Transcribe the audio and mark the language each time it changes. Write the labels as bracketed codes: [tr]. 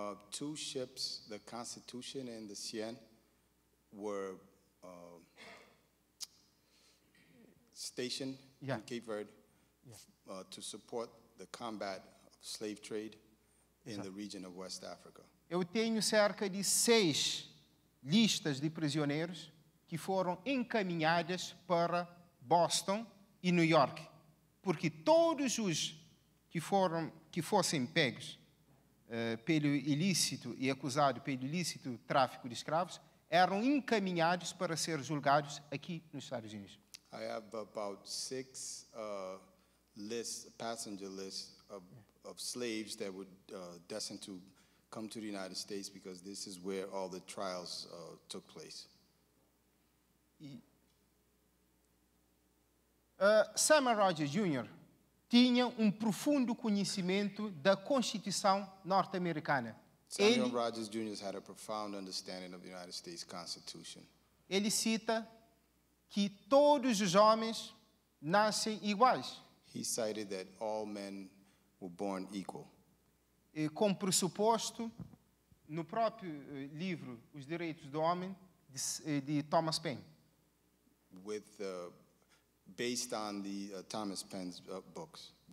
[en] Two ships, the Constitution and the Siena, were stationed in Cape Verde to support the combat of slave trade in the region of West Africa. [pt] Eu tenho cerca de 6 listas de prisioneiros que foram encaminhadas para Boston e New York, porque todos os que fossem pegos pelo ilícito e acusados pelo ilícito tráfico de escravos eram encaminhados para ser julgados aqui nos Estados Unidos. [en] I have about 6 lists, passenger lists of slaves that were destined to come to the United States because this is where all the trials took place. [pt] Samuel Rogers Jr. tinha profundo conhecimento da Constituição norte-americana. [en] Samuel Rogers Jr. had a profound understanding of the United States Constitution. [pt] Ele cita que todos os homens nascem iguais. [en] He cited that all men were born equal. [pt] E com pressuposto no próprio livro Os Direitos do Homem de Thomas Paine. [en] With based on the Thomas Paine's books.